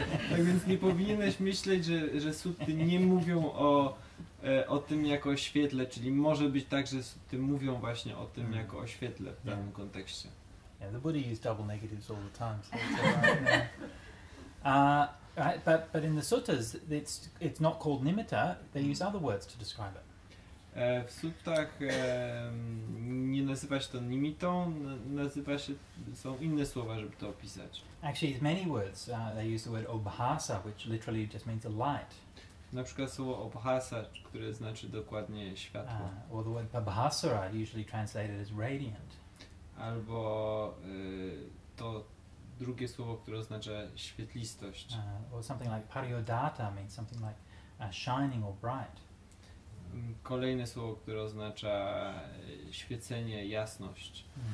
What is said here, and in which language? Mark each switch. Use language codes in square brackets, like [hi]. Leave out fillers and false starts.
[pl] Tak więc nie powinieneś myśleć, że sutty nie mówią o tym jako o świetle, czyli może być tak, że sutty mówią właśnie o tym jako o świetle w danym kontekście. [en] Yeah, the Buddha used double negatives all the time. So that's all right, right, but in the suttas, it's not called nimitta. They use other words to describe it. [pl] W suttach nie nazywa się to nimitą, nazywa się, są inne słowa, żeby to opisać. [en] Actually, many words. They use the word obhasa, which literally just means a light. [pl] Na przykład słowo obhasa, które znaczy dokładnie światło. [en] Or the word pabhasara, usually translated as radiant. [pl] Albo to drugie słowo, które oznacza świetlistość. [en] Or something like pariodata means something like shining or bright. [pl] Kolejne słowo, które oznacza świecenie, jasność.